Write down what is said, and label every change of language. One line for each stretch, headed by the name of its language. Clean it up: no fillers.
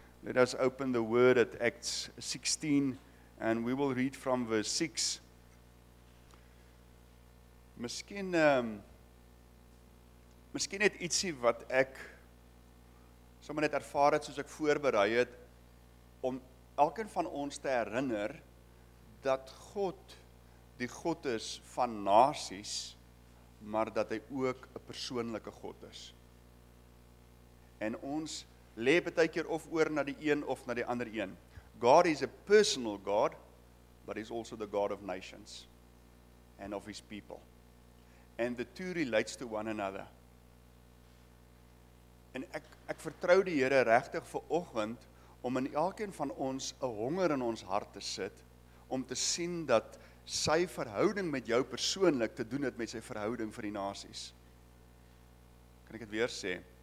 English: Let us open the word at Acts 16 and we will read from verse 6.
Afrikaans: Miskien het ietsie wat ek sommer net ervaar het soos ek voorberei het om elkeen van ons te herinner dat God die God is van nasies, maar dat Hy ook 'n persoonlike God is. En ons lê baie keer of oor na die een of na die ander een.
English: God is a personal God, but He's also the God of nations and of His people. And the two relates to one another.
Afrikaans: En ek vertrou die Here regtig vir oggend om in elkeen van ons 'n honger in ons hart te sit om te sien dat sy verhouding met jou persoonlik te doen het met sy verhouding vir die nasies. Kan ek dit weer sê?